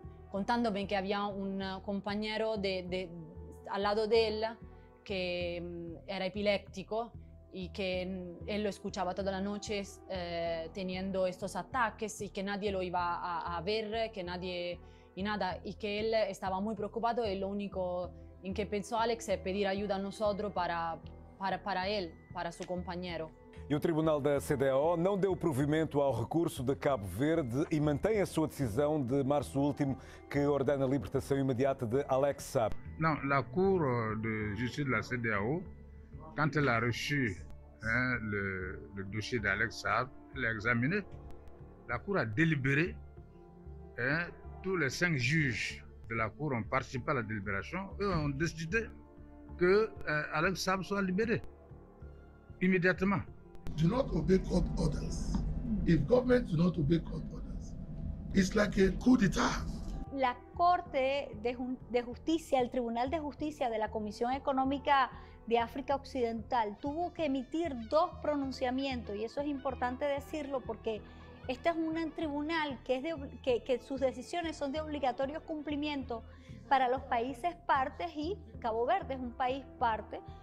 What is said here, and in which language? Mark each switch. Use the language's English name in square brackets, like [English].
[Spanish] contándome que había un compañero de al lado de él que era epiléptico, y que él lo escuchaba toda la noche teniendo estos ataques, y que nadie lo iba a ver, que nadie y nada, y que él estaba muy preocupado, y lo único en que pensó Alex es pedir ayuda a nosotros para él, para su compañero. [Portuguese] E o Tribunal da CDAO não deu provimento ao recurso de Cabo Verde e mantém a sua decisão de março último, que ordena a libertação imediata de Alex Saab. Não, a Cour de Justiça da CDAO, [French] quand elle a reçu le dossier d'Alex Saab, elle a examiné. La Cour a délibéré. Tous les 5 juges de la Cour ont participé à la délibération. Eux ont décidé que Alex Saab soit libéré immédiatement. [English] Do not obey court orders. If government do not obey court orders, it's like a coup d'état. [Spanish] La Corte de Justicia, el Tribunal de Justicia de la Comisión Económica de África Occidental, tuvo que emitir 2 pronunciamientos, y eso es importante decirlo porque este es un tribunal que sus decisiones son de obligatorio cumplimiento para los países partes, y Cabo Verde es un país parte.